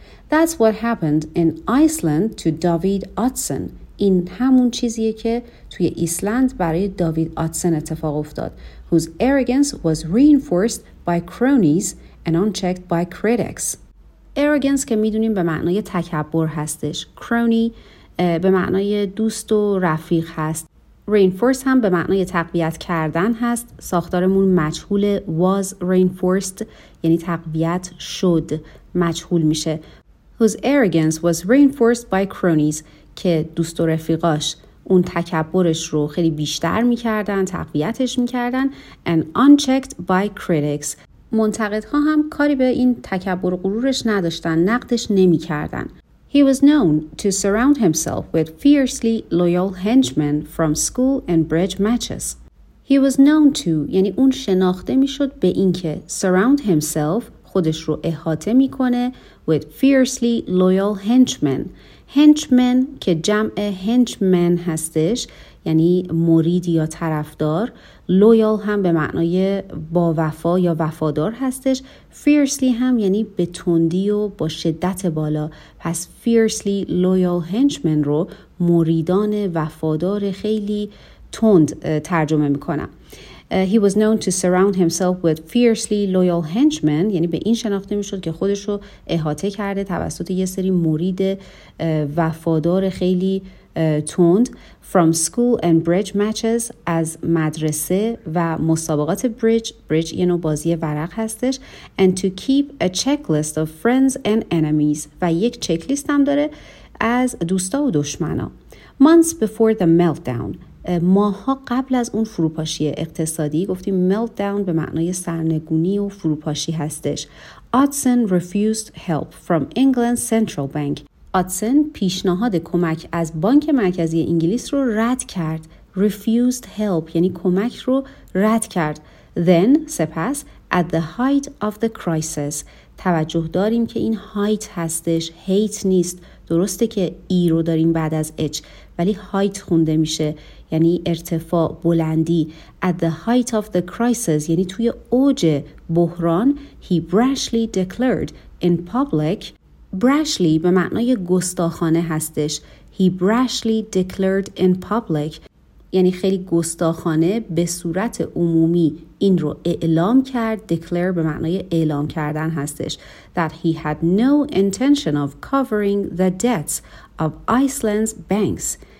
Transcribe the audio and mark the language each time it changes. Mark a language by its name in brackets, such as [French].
[English] That's what happened in Iceland to David Oddsson. [Persian] این همون چیزیه که توی ایسلند برای داوید آدسن اتفاق افتاد. [English] Whose arrogance was reinforced by cronies and unchecked by critics. [Persian] Arrogance که میدونیم به معنای تکبر هستش. Crony به معنای دوست و رفیق هست. Reinforced هم به معنای تقویت کردن هست. ساختارمون مجهول was reinforced یعنی تقویت شد، مجهول میشه. [English] Whose arrogance was reinforced by cronies [Persian] که دوست و رفیقاش اون تکبرش رو خیلی بیشتر میکردن، تقویتش میکردن. [English] And unchecked by critics [Persian] منتقدها هم کاری به این تکبر و غرورش نداشتن، نقدش نمیکردن. [English] He was known to surround himself with fiercely loyal henchmen from school and bridge matches. He was known to, [Persian] یعنی اون شناخته میشد به اینکه [English] surround himself [Persian] خودش رو احاطه میکنه [English] with fiercely loyal henchmen. [Persian] Henchmen که جمع henchmen هستش یعنی مرید یا طرفدار. Loyal هم به معنای با وفا یا وفادار هستش. Fiercely هم یعنی به تندی و با شدت بالا. پس [English] fiercely loyal henchmen [Persian] رو مریدان وفادار خیلی تند ترجمه میکنم. [English] He was known to surround himself with fiercely loyal henchmen. [Persian] یعنی به این شناخته میشد که خودش رو احاطه کرده توسط یه سری مرید وفادار خیلی تند. [English] From school and bridge matches, [Persian] از مدرسه و مسابقات bridge یه نوع بازی ورق هستش. [English] And to keep a checklist of friends and enemies. [Persian] و یک چکلیست هم داره از دوستا و دشمنا. [English] Months before the meltdown. [Persian] ماها قبل از اون فروپاشی اقتصادی گفتیم meltdown به معنای سرنگونی و فروپاشی هستش. [English] Odson refused help from England's central bank. [Persian] Odson پیشنهاد کمک از بانک مرکزی انگلیس رو رد کرد. [English] Refused help [Persian] یعنی کمک رو رد کرد. [English] Then [Persian] سپس [English] at the height of the crisis. [Persian] توجه داریم که این height هستش. Hate نیست. درسته که ای رو داریم بعد از h. ولی height خونده میشه. یعنی ارتفاع بلندی. [English] At the height of the crisis [Persian] یعنی توی اوج بحران. [English] He brashly declared in public. [Persian] Brashly به معنای گستاخانه هستش. [English] He brashly declared in public [Persian] یعنی خیلی گستاخانه به صورت عمومی این رو اعلام کرد. Declare به معنای اعلام کردن هستش. [English] That he had no intention of covering the debts of Iceland's banks.